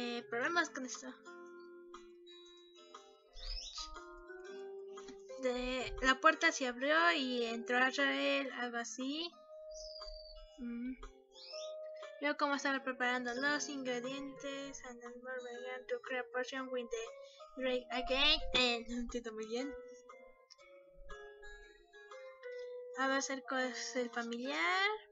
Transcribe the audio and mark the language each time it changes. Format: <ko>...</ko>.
<es>problemas con esto. De, la puerta se abrió y entró Azrael, algo así. Veo cómo estaba preparando los ingredientes.</es> <en>And then we're going to create a potion with the drake again.</en> <es>No entiendo muy bien. Ahora acerco el familiar.</es>